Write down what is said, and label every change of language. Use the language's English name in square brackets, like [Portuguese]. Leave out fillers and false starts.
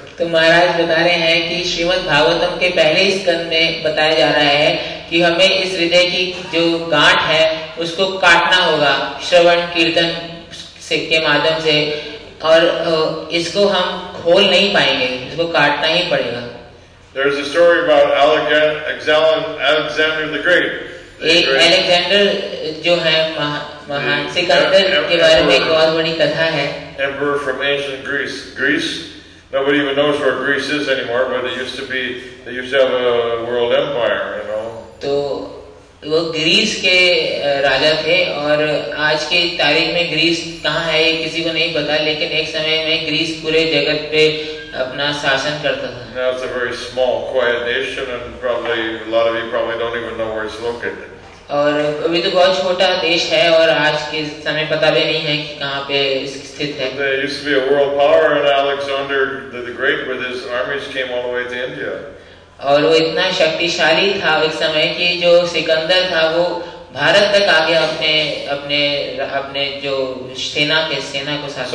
[Hindi] तो महाराज बता रहे हैं कि श्रीमद् भागवतम के पहले स्कंद में बताया जा रहा है कि हमें इस हृदय की जो गांठ है उसको काटना होगा श्रवण कीर्तन के माध्यम से, और इसको हम खोल नहीं पाएंगे, इसको काटना ही पड़ेगा। [English] There is a story about Alexander the Great. [Hindi] Alexander जो है महान सिकंदर के बारे में एक बहुत बड़ी कथा है। [English] Emperor from ancient Greece. Greece. Nobody even knows where Greece is anymore, but it used to be, they used to have a world empire, you know. [Hindi] तो वो ग्रीस के राजा थे और आज के तारीख में ग्रीस कहाँ है ये किसी को नहीं पता, लेकिन एक समय में ग्रीस पूरे जगत पे अपना शासन करता था। [English] Now it's a very small, quiet nation, and probably a lot of you probably don't even know where it's located. [Hindi] और अभी तो बहुत छोटा देश है और आज के समय पता भी नहीं है कि कहाँ पे स्थित है। [English] There used to be a world power, and Alexander the Great, with his armies, came all the way to India. [Hindi] और वो इतना शक्तिशाली था एक समय कि जो सिकंदर था वो भारत तक आ गया अपने अपने अपने जो सेना के सेना को साथ।